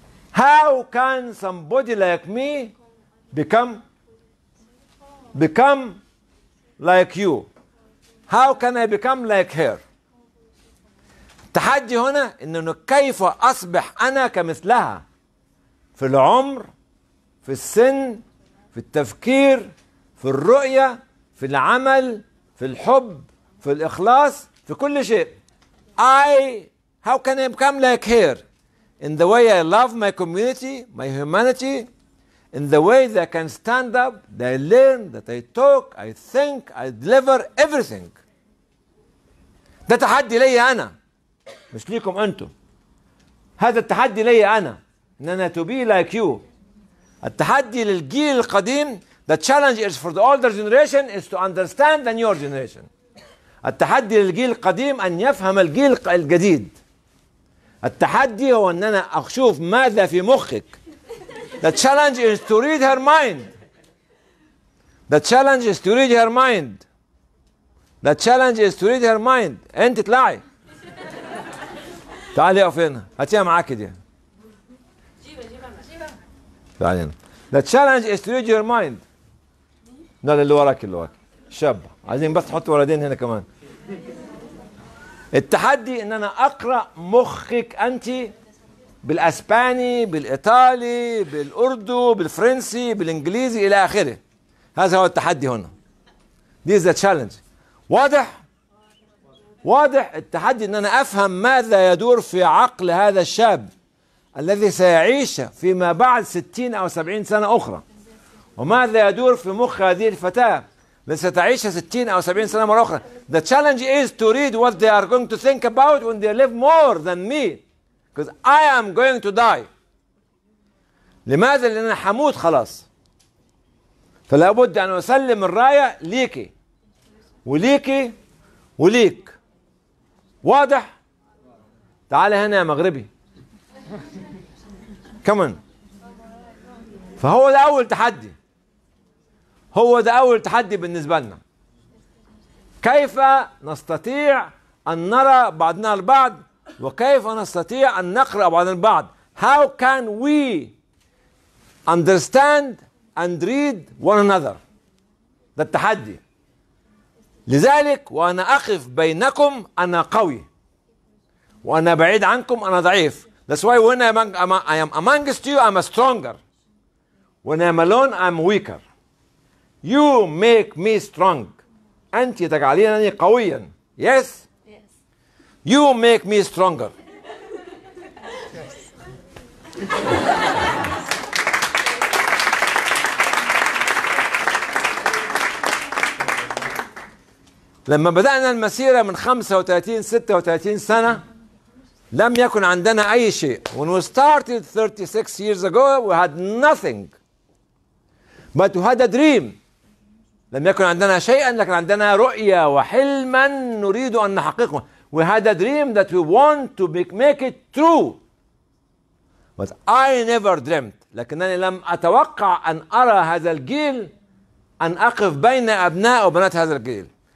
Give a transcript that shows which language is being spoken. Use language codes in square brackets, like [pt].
[en] How can somebody like me become like you? How can I become like her? [ar] التحدي هنا إنه كيف أصبح أنا كمثلها في العمر، في السن، في التفكير، في الرؤية، في العمل، في الحب، في الإخلاص، في كل شيء. [en] How can I become like her in the way I love my community, my humanity, in the way that I can stand up, that I learn, that I talk, I think, I deliver everything. [ar] ده تحدي لي أنا، مش ليكم أنتم. هذا التحدي لي أنا، إن أنا [en] to be like you. [ar] التحدي للجيل القديم. [en] The challenge is for the older generation is to understand the newer generation. [ar] التحدي للجيل القديم أن يفهم الجيل الجديد. التحدي هو أن أنا أشوف ماذا في مخك. [en] The challenge is to read her mind. The challenge is to read her mind. The challenge is to read her mind. [ar] أنت اطلعي. تعالي أقف هنا. هاتيها معاك دي. جيبها معاك. [en] The challenge is to read your mind. [ar] لا اللي وراك اللي وراك. شاب. عايزين بس تحط ولدين هنا كمان. التحدي ان انا اقرا مخك انت بالاسباني بالايطالي بالاردو بالفرنسي بالانجليزي الى اخره. هذا هو التحدي هنا. [en] This is the challenge. [ar] واضح؟ واضح. التحدي ان انا افهم ماذا يدور في عقل هذا الشاب الذي سيعيش فيما بعد 60 أو 70 سنة اخرى، وماذا يدور في مخ هذه الفتاة لستعيش 60 أو 70 سنة مرة أخرى. [en] The challenge is to read what they are going to think about when they live more than me. Because I am going to die. [ar] لماذا؟ لأن حموت خلاص. فلابد أن أسلم الراية ليكي. وليكي وليك. واضح؟ تعال هنا يا مغربي. [en] Come on. [ar] فهو ده أول تحدي. هو ده أول تحدي بالنسبة لنا. كيف نستطيع أن نرى بعضنا البعض؟ وكيف نستطيع أن نقرأ بعضنا البعض؟ [en] How can we understand and read one another؟ [ar] ده التحدي. لذلك وأنا أقف بينكم أنا قوي، وأنا بعيد عنكم أنا ضعيف. [en] That's why when I am amongst you I'm stronger. When I'm alone I'm weaker. You make me strong. [ar] أنت تجعلينني قويا. [en] Yes? Yes. You make me stronger. [ar] لما بدأنا المسيرة من 35-36 سنة لم يكن عندنا أي شيء. [en] When we started 36 years ago we had nothing. But we had a dream. [ar] لم يكن عندنا شيئا لكن عندنا رؤية وحلما نريد أن نحققه. [en] We had a dream that we want to make it true. But I never dreamt. [ar] لكنني لم أتوقع أن أرى هذا الجيل أن أقف بين أبناء وبنات هذا الجيل.